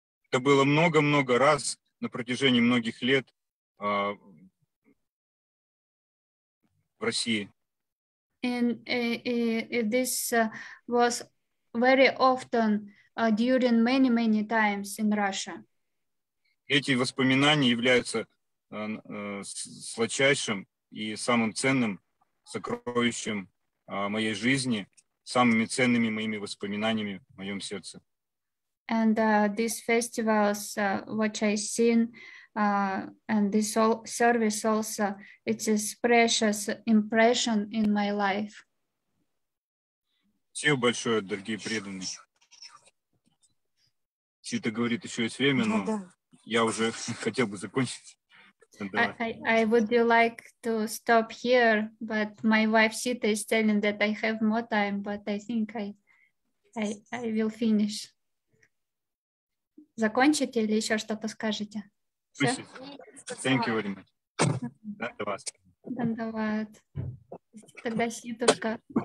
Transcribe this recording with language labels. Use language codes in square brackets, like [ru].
[ru] Это было много-много раз на протяжении многих лет в России. [en] And this was very often during many times in Russia. [ru] Эти воспоминания являются сладчайшим и самым ценным сокровищем моей жизни, самыми ценными моими воспоминаниями в моем сердце. [en] And these festivals, which I've seen, and this all service also, it is precious impression in my life. [ru] Спасибо большое, дорогие преданные. Сита говорит, еще есть время, но я уже хотел бы закончить. [en] I would like to stop here, but my wife Sita is telling that I have more time, but I think I will finish. [ru] Закончите или еще что-то скажете? [en] Thank you very much. [ru] Дандават. Тогда Ситушка.